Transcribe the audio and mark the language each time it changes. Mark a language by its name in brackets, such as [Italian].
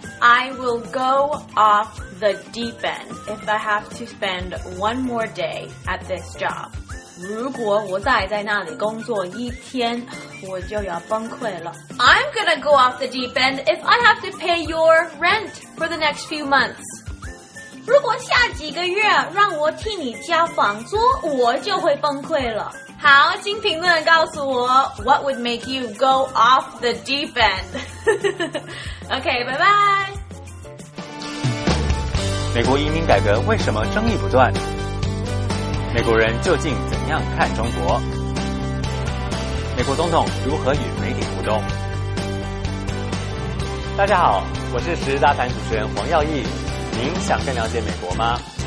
[English] I will go off the deep end if I have to spend one more day at this job. [Chinese] 如果我再在那里工作一天，我就要崩溃了。 [English] I'm gonna go off the deep end if I have to pay your rent for the next few months. [Chinese] 如果下几个月让我替你交房租，我就会崩溃了。好，请评论告诉我 [English] what would make you go off the deep end. [Chinese] OK, 拜拜。美国移民改革为什么争议不断？美国人究竟怎样看中国？美国总统如何与媒体互动？大家好，我是《时事大谈》主持人黄耀毅。您想更了解美国吗？